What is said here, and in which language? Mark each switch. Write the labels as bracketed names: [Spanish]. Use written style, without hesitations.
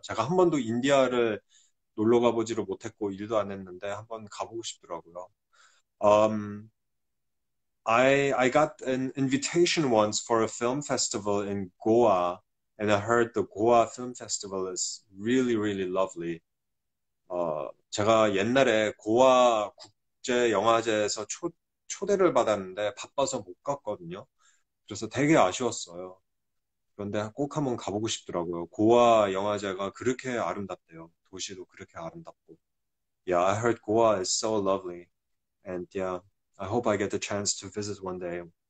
[Korean] 제가 한 번도 인디아를 놀러 가보지를 못했고 일도 안 했는데 한번 가보고 싶더라고요. [English] I got an invitation once for a film festival in Goa, and I heard the Goa Film Festival is really, really lovely. [Korean] 제가 옛날에 고아 국제영화제에서 초대를 받았는데 바빠서 못 갔거든요. 그래서 되게 아쉬웠어요. 그런데 꼭 한번 가보고 싶더라고요. 고아 영화제가 그렇게 아름답대요. 도시도 그렇게 아름답고. [English] Yeah, I heard Goa is so lovely. And yeah, I hope I get the chance to visit one day.